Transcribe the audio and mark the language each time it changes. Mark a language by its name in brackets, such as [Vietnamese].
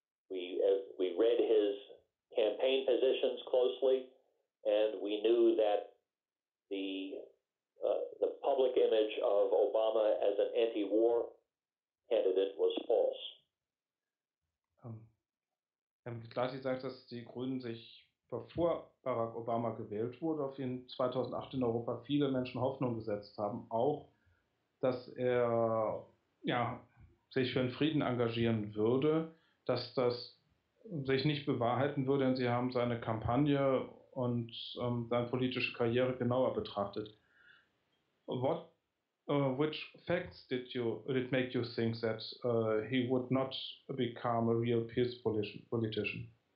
[English] We read his campaign positions closely, and we knew that the public image of Obama as an anti-war candidate was false. [German] Glasi sagt, dass die Grünen sich, bevor Barack Obama gewählt wurde, auf ihn 2008 in Europa viele Menschen Hoffnung gesetzt haben, auch, dass er sich für den Frieden engagieren würde, dass das sich nicht bewahrheiten würde, denn sie haben seine Kampagne und seine politische Karriere genauer betrachtet. [English] Which facts did make you think that he would not become a real peace politician?